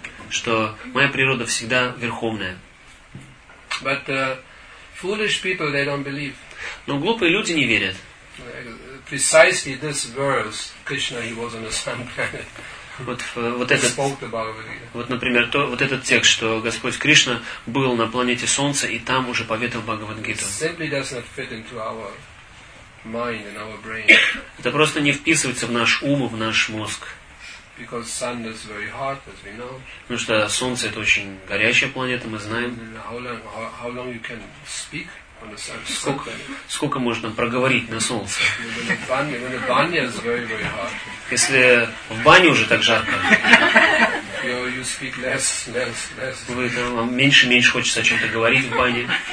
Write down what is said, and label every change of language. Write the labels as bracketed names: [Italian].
[Russian] Что моя природа всегда верховная. [English] But foolish people, they don't believe. [Russian] Но глупые люди не верят. [English] Precisely this verse, Krishna, he was on the sun planet. [Russian] Вот этот текст, что Господь Кришна был на планете Солнца и там уже поведал Бхагавад-гиту. [English] Simply does not fit into our mind and our brain. [Russian] Это просто не вписывается в наш ум, в наш мозг. [English] Because sun is very hot, as we know. [Russian] Ну что, Солнце это очень горячая планета, мы знаем. [English] How long you can speak on the sun? [Russian] Сколько можно проговорить на Солнце? [English] When the banya is very very hot. [Russian] Если в бане уже так жарко. [English] You speak less. [Russian] Вам меньше хочется о чем-то говорить в бане.